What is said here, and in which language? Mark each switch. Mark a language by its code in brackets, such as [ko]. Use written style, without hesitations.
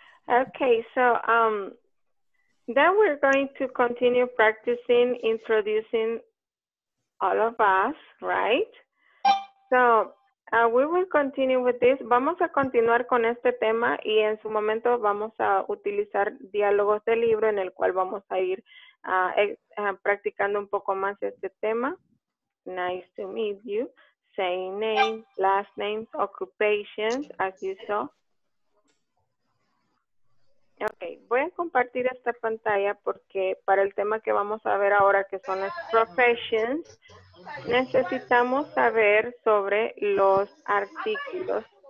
[en] Okay, so then we're going to continue practicing introducing all of us, right? So, we will continue with this. [es] Vamos a continuar con este tema y en su momento vamos a utilizar diálogos del libro en el cual vamos a ir practicando un poco más este tema. [en] Nice to meet you. Say name, last name, occupations, as you saw. [es] Okay, voy a compartir esta pantalla porque para el tema que vamos a ver ahora, que son las professions, necesitamos saber sobre los artículos.